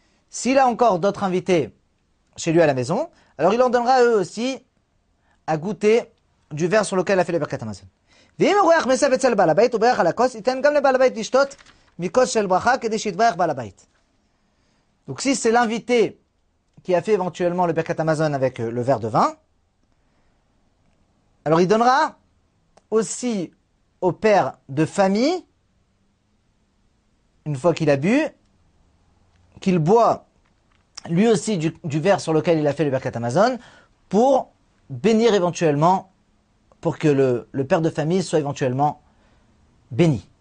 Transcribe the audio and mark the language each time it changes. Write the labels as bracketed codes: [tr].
[fr] S'il a encore d'autres invités chez lui à la maison, alors il en donnera à eux aussi à goûter du verre sur lequel il a fait le Birkat Hamazon. [he] ואם הוא רואה מסב אצל בעל הבית, הוא ברך על הכוס, ייתן גם לבעל הבית לשתות מכוס של ברכה כדי שיתברך בעל הבית. [fr] Donc si c'est l'invité qui a fait éventuellement le Birkat Hamazon avec le verre de vin, alors il donnera aussi au père de famille, une fois qu'il a bu, qu'il boit lui aussi du verre sur lequel il a fait le Birkat Hamazon pour bénir éventuellement pour que le père de famille soit éventuellement béni.